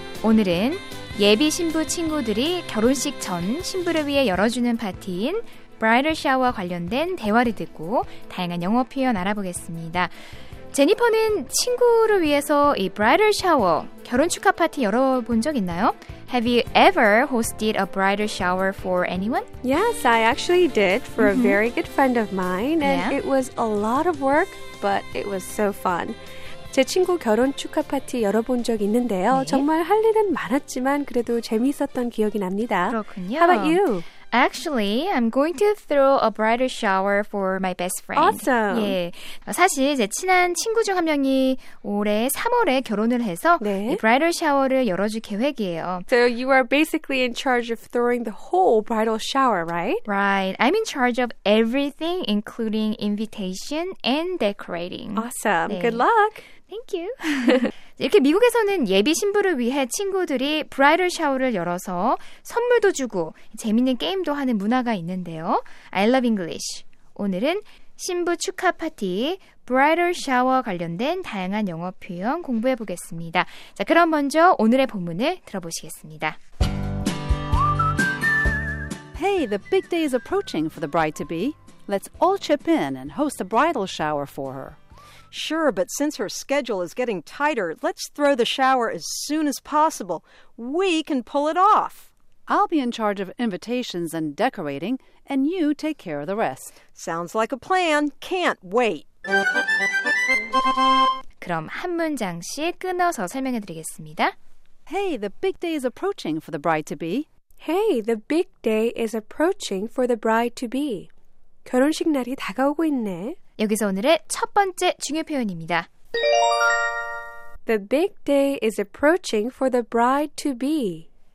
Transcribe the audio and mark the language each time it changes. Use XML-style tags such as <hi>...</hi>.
<ko>오늘은 예비 신부 친구들이 결혼식 전 신부를 위해 열어주는 파티인 브라이덜 샤워와 관련된 대화를 듣고 다양한 영어 표현 알아보겠습니다. 제니퍼는 친구를 위해서 이 브라이덜 샤워, 결혼 축하 파티 열어본 적 있나요?</ko> <en>Have you ever hosted a bridal shower for anyone? Yes, I actually did for a very good friend of mine. And yeah. It was a lot of work, but it was so fun.</en> <ko>제 친구 결혼 축하 파티 열어본 적 있는데요. 네. 정말 할 일은 많았지만 그래도 재미있었던 기억이 납니다. 그렇군요.</ko> <en>How about you? Actually, I'm going to throw a bridal shower for my best friend. Awesome.</en> <ko>예, 사실 제 친한 친구 중 한 명이 올해 3월에 결혼을 해서 네. 이 bridal shower를 열어줄 계획이에요.</ko> <en>So you are basically in charge of throwing the whole bridal shower, right? Right. I'm in charge of everything, including invitation and decorating. Awesome. 네. Good luck. Thank you.</en> <ko>이렇게 미국에서는 예비 신부를 위해 친구들이 브라이덜 샤워를 열어서 선물도 주고 재밌는 게임도 하는 문화가 있는데요.</ko> <en>I love English.</en> <ko>오늘은 신부 축하 파티, 브라이덜 샤워 관련된 다양한 영어 표현 공부해 보겠습니다. 자, 그럼 먼저 오늘의 본문을 들어보시겠습니다.</ko> <en>Hey, the big day is approaching for the bride-to-be. Let's all chip in and host a bridal shower for her. Sure, but since her schedule is getting tighter, let's throw the shower as soon as possible. We can pull it off. I'll be in charge of invitations and decorating, and you take care of the rest. Sounds like a plan. Can't wait.</en> <ko>그럼 한 문장씩 끊어서 설명해 드리겠습니다.</ko> <en>Hey, the big day is approaching for the bride-to-be. Hey, the big day is approaching for the bride-to-be.</en> <ko>결혼식 날이 다가오고 있네. 여기서 오늘의 첫 번째 중요 표현입니다.</ko> <en>The big day is approaching for the bride to be.</en>